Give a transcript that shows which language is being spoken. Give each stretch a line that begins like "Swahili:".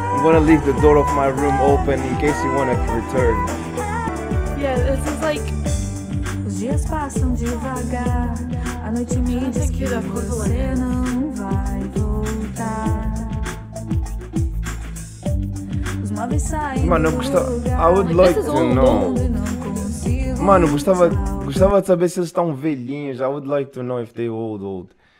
English: I'm gonna leave the door of my room open in case you wanna return. Yeah, this is like.
Portuguese: dias passam devagar. A noite me diz que você não vai voltar. Os móveis saem. Mano, eu gostava.
English: I would like to know.
Portuguese: Mano, gostava de saber se eles estão velhinhos.
English: I would like to know if they old.